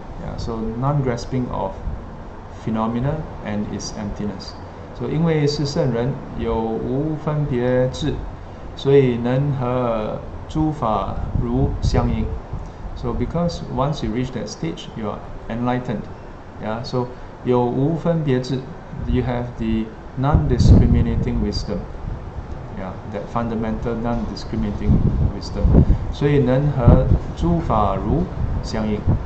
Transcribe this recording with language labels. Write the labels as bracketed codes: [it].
[en] Yeah, so non-grasping of phenomena and its emptiness. [zh] So 因为是圣人有无分别智，所以能和诸法如相应。 [en] So because once you reach that stage, you are enlightened. Yeah, so [zh] 有无分别智 [en] you have the non-discriminating wisdom. Yeah, that fundamental non-discriminating wisdom. [zh] 所以能和诸法如相应。